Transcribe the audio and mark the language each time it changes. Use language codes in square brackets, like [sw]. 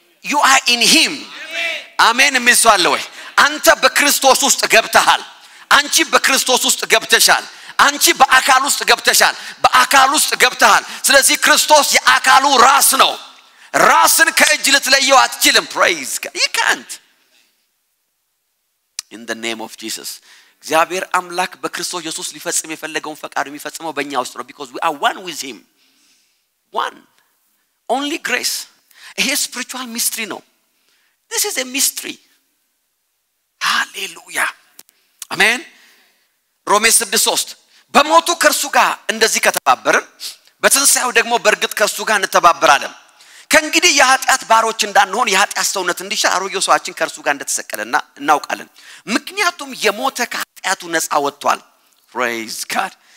[en] You are in him. [am] አሜን እንምሳለው ወይ? አንተ በክርስቶስ ውስጥ ገብተሃል። አንቺ በክርስቶስ ውስጥ ገብተሻል። አንቺ በአካል ውስጥ ገብተሻል። በአካል ውስጥ ገብተሃል። ስለዚህ ክርስቶስ የአካሉ ራስ ነው። ራስን ከእጅ ልትለየው አትችልም። [en] Praise God. You can't. In the name of Jesus. [am] እግዚአብሔር አምላክ በክርስቶስ ኢየሱስ ሊፈጽም የፈለገውን ፈቃዱ የሚፈጽመው በእኛ ውስጥ ነው። [en] Because we are one with him. One. Only grace. [am] ይሄ spiritual mystery ነው። [en] This is a mystery. Hallelujah. Amen. [am] ሮሜ 6:3 በሞቱ ከርሱ ጋር እንደዚህ ከተባበረ በትንሳኤው ደግሞ በርግጥ ከርሱ ጋር እንተባበራለን። ከእንግዲህ የኃጢአት ባሮች እንዳንሆን የኃጢአት ሰውነት እንዲሻር አሮጌው ሰዋችን ከርሱ ጋር እንደተሰቀለና እናውቃለን። ምክንያቱም የሞተ ከኃጢአቱ ነጻ ወጥቷል። [en] Praise God.